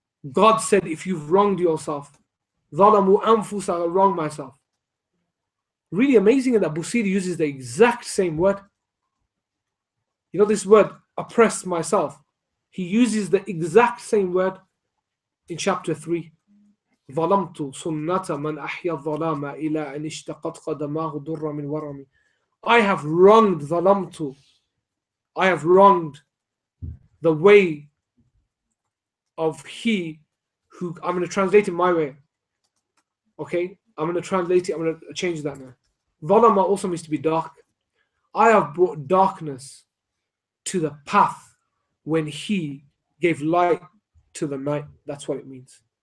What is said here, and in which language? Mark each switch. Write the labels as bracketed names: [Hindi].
[English] God said, if you've wronged yourself, [Arabic] ظَلَمُوا أَنفُسَ, [English] I'll wrong myself. Really amazing that Busiri uses the exact same word. You know this word, oppress myself. He uses the exact same word in chapter 3. [Arabic] ظَلَمْتُ سُنَّةَ مَنْ أَحْيَى الظَّلَامَ إِلَىٰ أَنْ اشْتَقَتْ قَدَمَاهُ دُرَّ مِنْ وَرَمِ. [English] I have wronged, [Arabic] ظَلَمْتُ, [English] I have wronged the way of he who, I'm going to translate it my way. Okay, I'm going to translate it, I'm going to change that now. Valama also means to be dark. I have brought darkness to the path when he gave light to the night. That's what it means.